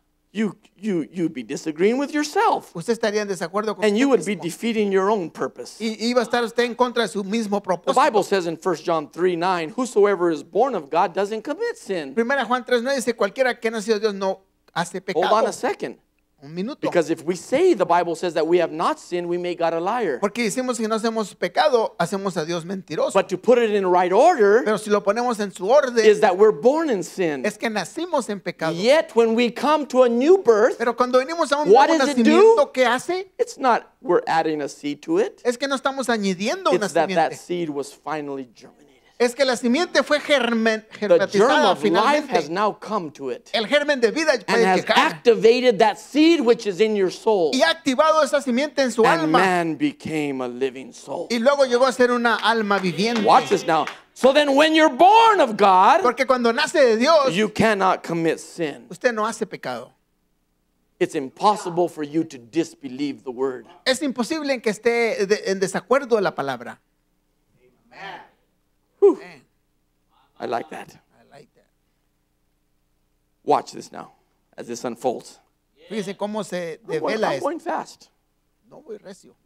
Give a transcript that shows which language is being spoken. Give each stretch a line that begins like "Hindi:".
English: You'd be disagreeing with yourself.
Spanish: Usted estaría en desacuerdo con
English: and you would
Spanish: mismo.
English: Be defeating your own purpose.
Spanish: Y iba a estar usted en contra de su mismo propósito.
English: The Bible says in 1 John 3:9, whosoever is born of God doesn't commit sin.
Spanish: Primera Juan 3:9 dice, cualquiera que nació de Dios no hace pecado.
English: Hold on a second. Because if we say the Bible says that we have not sinned, we make God a liar.
Spanish: Porque decimos que no hacemos pecado, hacemos a Dios mentiroso.
English: But to put it in right order,
Spanish: pero si lo ponemos en su orden,
English: is that we're born in sin.
Spanish: Es que nacimos en pecado.
English: Yet when we come to a new birth,
Spanish: pero cuando venimos a un nuevo nacimiento, ¿qué hace?
English: It's not we're adding a seed to it.
Spanish: Es que no estamos añadiendo una semilla.
English: It's that seed was finally germinated.
Spanish: Es que la simiente fue germinatizada finalmente.
English: The germ of life has now come to it.
Spanish: El germen de vida
English: and has activated that seed which is in your soul.
Spanish: Y ha activado esa simiente en su
English: and
Spanish: alma.
English: And man became a living soul.
Spanish: Y luego llegó a ser una alma viviente.
English: Watch this now. So then when you're born of God,
Spanish: porque cuando nace de Dios,
English: you cannot commit sin.
Spanish: Usted no hace pecado.
English: It's impossible for you to disbelieve the word.
Spanish: Es imposible en que esté en desacuerdo a la palabra.
English: Amen. Whew. I like that. I like that. Watch this now as this unfolds.
Spanish: Fíjese cómo se devela.
English: I'm going fast.
Spanish: No voy recio.